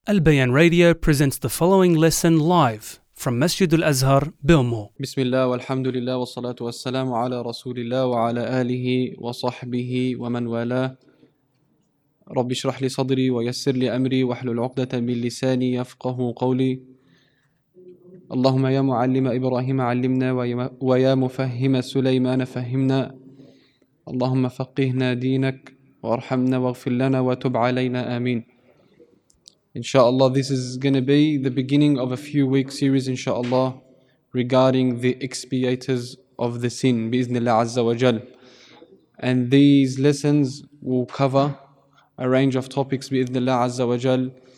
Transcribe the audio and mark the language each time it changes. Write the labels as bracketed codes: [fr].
[en] البيان radio presents the following lesson live from مسجد الأزهر بأمه. [ar] بسم الله والحمد لله والصلاة والسلام على رسول الله وعلى آله وصحبه ومن والاه. رب اشرح لي صدري ويسر لي أمري واحلل عقدة من لساني يفقه قولي. اللهم يا معلم إبراهيم علمنا ويا مفهم سليمان فهمنا. اللهم فقهنا دينك وارحمنا واغفر لنا وتب علينا آمين. [en] Inshallah, this is going to be the beginning of a few week series, inshallah, regarding the expiators of the sin, bi'iznillah azza wa jal. And these lessons will cover a range of topics, bi'iznillah azza wa jal.